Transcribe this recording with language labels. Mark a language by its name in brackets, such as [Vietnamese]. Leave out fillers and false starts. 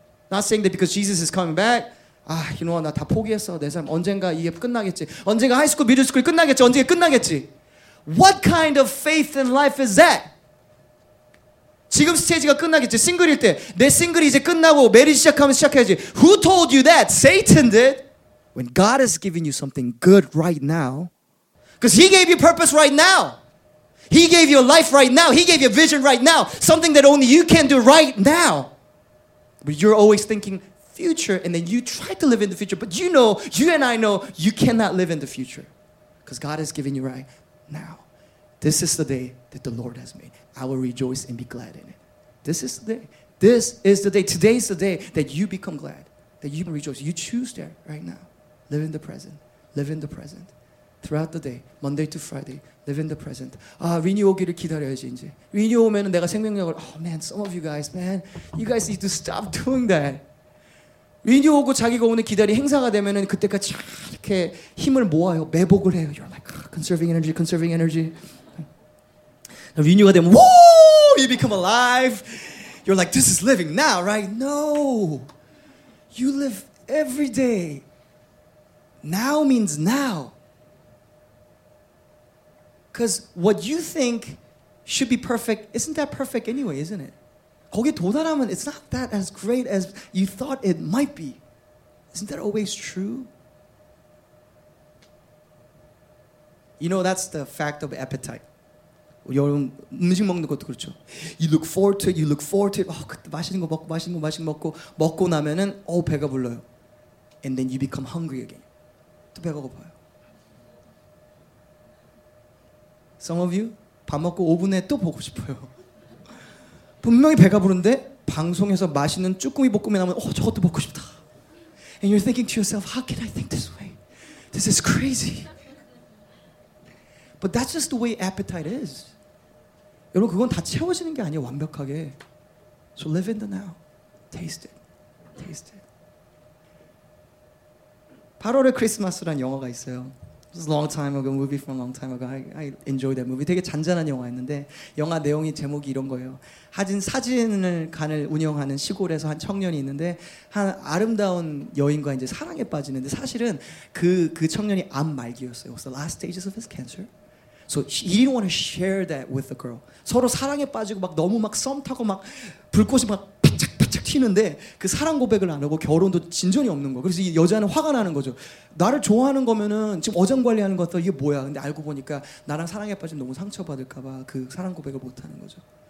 [English] Not saying that because Jesus is coming back, 아, you know what, [Korean] 나 다 포기했어. 내 삶 언젠가 이게 끝나겠지. 언젠가 하이스쿨, 미들스쿨 끝나겠지. 언젠가 끝나겠지. [English] What kind of faith in life is that? [Korean] 지금 스테이지가 끝나겠지. 싱글일 때. 내 싱글이 이제 끝나고 메리 시작하면 시작해야지. [English] Who told you that? Satan did. When God has given you something good right now, because He gave you purpose right now. He gave you a life right now. He gave you a vision right now. Something that only you can do right now. But you're always thinking future, and then you try to live in the future, but you know, you and I know, you cannot live in the future because God has given you right now. This is the day that the Lord has made. I will rejoice and be glad in it. This is the day. This is the day. Today is the day that you become glad, that you can rejoice. You choose there right now. Live in the present. Live in the present. Throughout the day, Monday to Friday, live in the present. [Korean] Ah, renew 오기를 기다려야지 이제. Renew 오면은 내가 생명력을. [English] Oh man, some of you guys, man, you guys need to stop doing that. [Korean] Renew 오고 자기가 오는 기다리 행사가 되면은 그때까지 이렇게 힘을 모아요, 매복을 해요. [English] You're like conserving energy, conserving energy. Now [Korean] renew가 되면 [English] woo, you become alive. You're like this is living now, right? No, you live every day. Now means now. Because what you think should be perfect isn't that perfect anyway, isn't it? [Korean] 거기 도달하면 [English] it's not that as great as you thought it might be. Isn't that always true? You know, that's the fact of appetite. [Korean] 여러분, 음식 먹는 것도 그렇죠. [English] You look forward to it, you look forward to it. [Korean] 맛있는 거 먹고, 맛있는 거 맛있는 거 먹고 나면은 배가 불러요. [English] And then you become hungry again. [Korean] 또 배가 고파요. [English] Some of you, [Korean] 밥 먹고 5분에 또 보고 싶어요. 분명히 배가 부른데 방송에서 맛있는 쭈꾸미 볶음이 나오면 저것도 먹고 싶다. [English] And you're thinking to yourself, how can I think this way? This is crazy. But that's just the way appetite is. [Korean] 여러분, 그건 다 채워지는 게 아니에요, 완벽하게. [English] So live in the now. Taste it. Taste it. [Korean] 8월의 크리스마스라는 영화가 있어요. [English] It was a long time ago, a movie from a long time ago. I enjoyed that movie. [Korean] 되게 잔잔한 영화였는데 영화 내용이 제목이 이런 거예요. 사진관을 운영하는 시골에서 한 청년이 있는데 한 아름다운 여인과 이제 사랑에 빠지는데 사실은 그 청년이 암 말기였어요. [English] It was the last stages of his cancer. So he didn't want to share that with the girl. [Korean] 서로 사랑에 빠지고 막 너무 막 썸 타고 막 불꽃이 막 바짝바짝 튀는데 그 사랑 고백을 안 하고 결혼도 진전이 없는 거. 그래서 이 여자는 화가 나는 거죠. 나를 좋아하는 거면은 지금 어장 관리하는 것도 이게 뭐야. 근데 알고 보니까 나랑 사랑에 빠지면 너무 상처받을까 봐 그 사랑 고백을 못 하는 거죠.